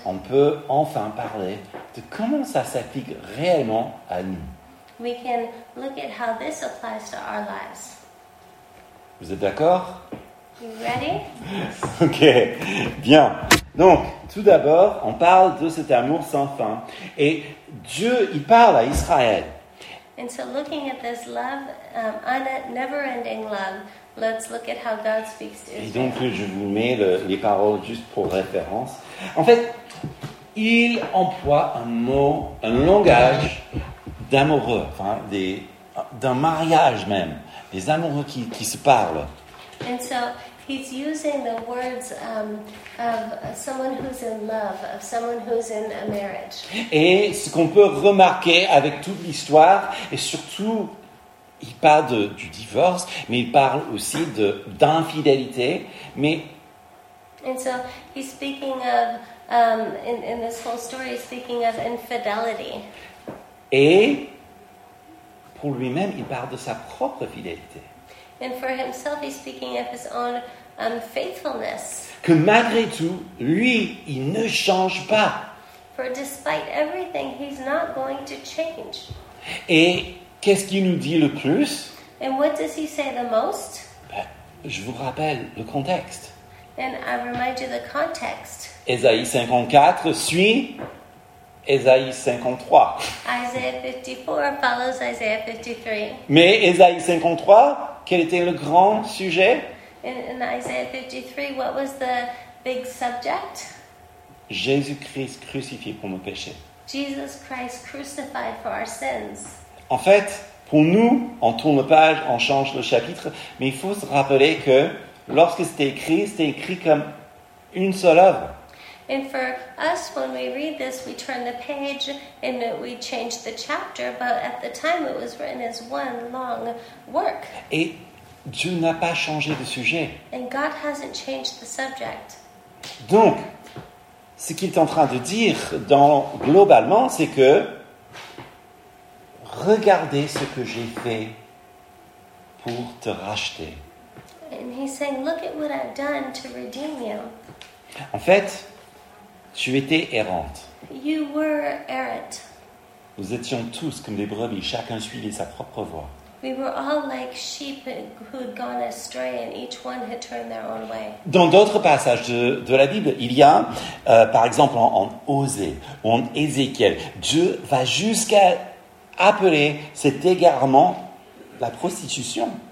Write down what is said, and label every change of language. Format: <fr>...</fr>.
<fr>on peut enfin parler de comment ça s'applique réellement à nous.</fr> <en>We can look at how this applies to our lives.</en> <fr>Vous êtes d'accord?</fr> <en>You ready?</en> <fr>OK. Bien. Donc, tout d'abord, on parle de cet amour sans fin. Et Dieu, il parle à Israël.</fr> <en>And so looking at this love, never-ending love, let's look at how God speaks to Israel.</en> <fr>Et donc, je vous mets les paroles juste pour référence. En fait, il emploie un mot, un langage d'amoureux, enfin, d'un mariage même, des amoureux qui se parlent.</fr> <en>And so he's using the words of someone who's in love, of someone who's in a marriage.</en> <fr>Et ce qu'on peut remarquer avec toute l'histoire, et surtout, il parle du divorce, mais il parle aussi d'infidélité, mais...</fr> <en>And so he's speaking of, in this whole story, he's speaking of infidelity.</en> <fr>Et pour lui-même, il parle de sa propre fidélité.</fr> <en>And for himself, he's speaking of his own faithfulness.</en> <fr>Que malgré tout, lui, il ne change pas.</fr> <en>For despite everything, he's not going to change.</en> <fr>Et qu'est-ce qu'il nous dit le plus?</fr> <en>And what does he say the most?</en> <fr>Ben, je vous rappelle le contexte.</fr> <en>And I remind you the context.</en> <fr>Ésaïe 54 suit Ésaïe 53.</fr> <en>Isaiah 54 follows Isaiah 53.</en> <fr>Mais Ésaïe 53... Quel était le grand sujet?</fr> <en>In Isaiah 53, what was the big subject?</en> <fr>Jésus-Christ crucifié pour nos péchés.</fr> <en>Jesus Christ crucified for our sins.</en> <fr>En fait, pour nous, on tourne page, on change le chapitre, mais il faut se rappeler que lorsque c'était écrit comme une seule œuvre.</fr> <en>And for us, when we read this, we turn the page and we change the chapter. But at the time, it was written as one long work.</en> <fr>Et Dieu n'a pas changé de sujet.</fr> <en>And God hasn't changed the subject.</en> <fr>Donc, ce qu'il est en train de dire globalement, c'est que regardez ce que j'ai fait pour te racheter.</fr> <en>And he's saying, look at what I've done to redeem you.</en> <fr>En fait, tu étais errante.</fr> <en>You were errant.</en> <fr>Nous étions tous comme des brebis, chacun suivait sa propre voie.</fr> <en>We were all like sheep who'd gone astray and each one had turned their own way.</en> <fr>Dans d'autres passages de la Bible, il y a, par exemple, en Osée ou en Ézéchiel, Dieu va jusqu'à appeler cet égarement la prostitution.</fr>